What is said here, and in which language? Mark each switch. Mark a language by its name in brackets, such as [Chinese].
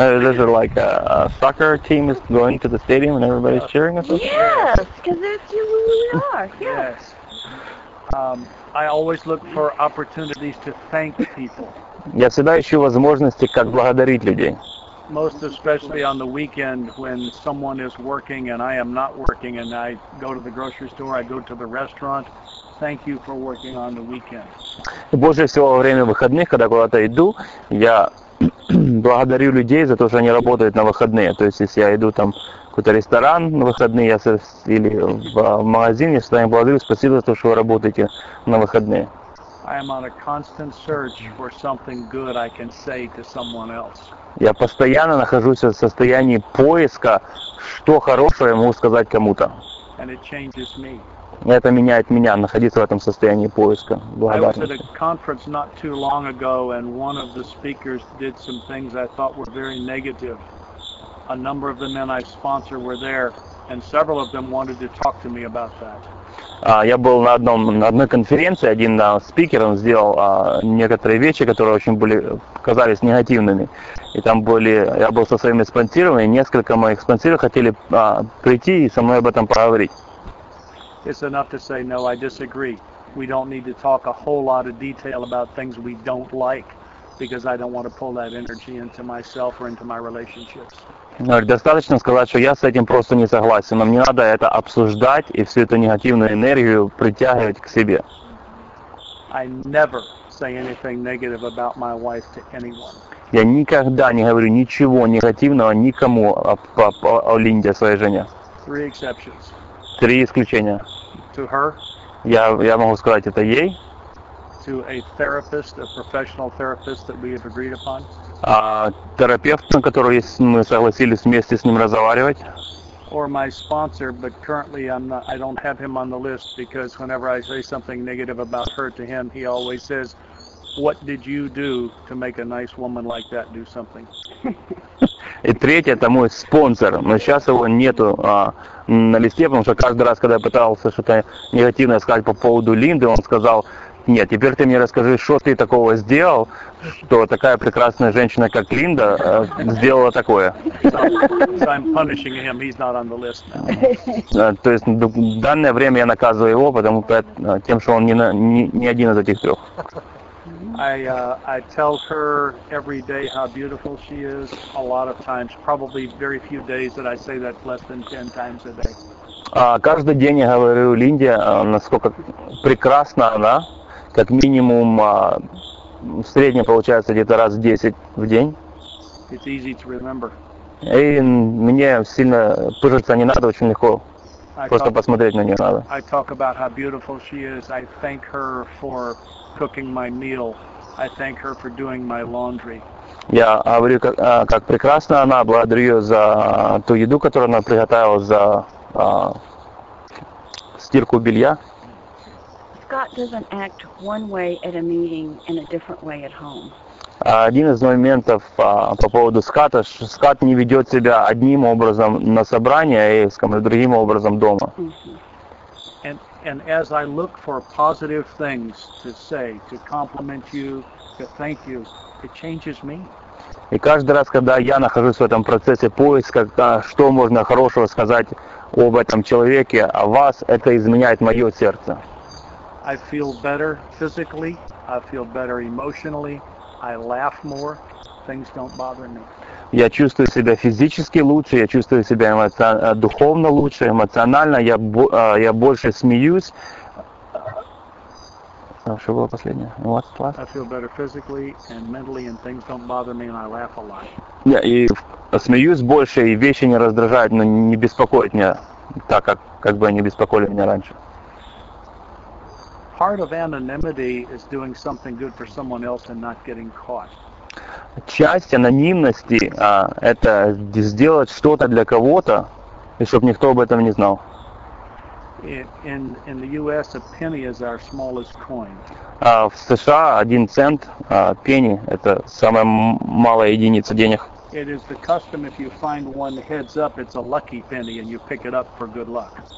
[English] Is it like a soccer team is going to the stadium and everybody's cheering us? Yes, because that's who we are. Yes. I always look for opportunities to thank people. [Russian] Я всегда ищу возможности как благодарить людей. [English] Most especially on the weekend when someone is working and I am not working, and I go to the grocery store, I go to the restaurant. Thank you for working on the weekend. [Russian] Больше всего во время выходных, когда куда-то иду, я благодарю людей за то, что они работают на выходные. То есть, если я иду там в какой-то ресторан на выходные, или в магазин, я всегда им благодарю, спасибо за то, что вы работаете на выходные. [English] I am on a constant search for something good I can say to someone else. [Russian] Я постоянно нахожусь в состоянии поиска, что хорошего ему сказать кому-то. [English] And it changes me. [Russian] Это меняет меня, находиться в этом состоянии поиска, благодарности. [English] I was at a conference not too long ago, and one of the speakers did some things I thought were very negative. A number of the men I sponsor were there, and several of them wanted to talk to me about that. [Russian] Я был на одной конференции, один спикер, он сделал некоторые вещи, которые очень были, казались негативными. И там были, я был со своими спонсорами, несколько моих спонсоров хотели прийти и со мной об этом поговорить. [English] It's enough to say, no, I disagree. We don't need to talk a whole lot of detail about things we don't like, because I don't want to pull that energy into myself or into my relationships. [Russian] Достаточно сказать, что я с этим просто не согласен. Нам не надо это обсуждать и всю эту негативную энергию притягивать к себе. [English] I never say anything negative about my wife to anyone. [Russian] Я никогда не говорю ничего негативного никому о Линде, своей жене. [English] Three exceptions. [Russian] Три исключения. [English] To her. [Russian] Я могу сказать это ей. [English] To a therapist, a professional therapist that we have agreed upon. [Russian] Терапевт, на который мы согласились вместе с ним разговаривать. [English] Or my sponsor, but currently I don't have him on the list, because whenever I say something negative about her to him, he always says, "What did you do to make a nice woman like that do something?" [Russian] И третий — это мой спонсор, но сейчас его нету на листе, потому что каждый раз, когда я пытался что-то негативное сказать по поводу Линды, он сказал: нет, теперь ты мне расскажи, что ты такого сделал, что такая прекрасная женщина, как Линда, сделала такое. [English] So I'm punishing him. He's not on the list now. [Russian] То есть в данное время я наказываю его, потому тем, что он не один из этих трех. [English] I tell her every day how beautiful she is, a lot of times, probably very few days that I say that less than 10 times a day. [Russian] Каждый день я говорю Линде, насколько прекрасна она. Как минимум, в среднем получается где-то раз в 10 в день. [English] It's easy to remember. [Russian] И мне сильно пыжиться не надо, очень легко. Просто посмотреть на нее надо. [English] I talk about how beautiful she is. I thank her for cooking my meal. I thank her for doing my laundry. [Russian] Я говорю, как прекрасна она, благодарю ее за ту еду, которую она приготовила, за стирку белья. [English] Scott doesn't act one way at a meeting and a different way at home. [Russian] Один из моментов по поводу Скотта, что Скотт не ведет себя одним образом на собрании, а другим образом дома. [English] And as I look for positive things to say, to compliment you, to thank you, it changes me. [Russian] И каждый раз, когда я нахожусь в этом процессе поиска, что можно хорошего сказать об этом человеке, о вас, это изменяет мое сердце. [English] I feel better physically, I feel better emotionally, I laugh more, things don't bother me. [Russian] Я чувствую себя физически лучше, я чувствую себя духовно лучше, эмоционально, я больше смеюсь. Что было последнее? [English] What? I feel better physically and mentally, and things don't bother me, and I laugh a lot. [Russian] Да, и смеюсь больше, и вещи не раздражают, но не беспокоят меня так, как бы они беспокоили меня раньше. [English] Part of anonymity is doing something good for someone else and not getting caught. [Russian] Часть анонимности это сделать что-то для кого-то, и чтобы никто об этом не знал. [English] In the US, a penny is our smallest coin. [Russian] В США 1 цент, пенни это самая малая единица денег. [English] It is the custom if you find one heads up, it's a lucky penny and you pick it up for good luck.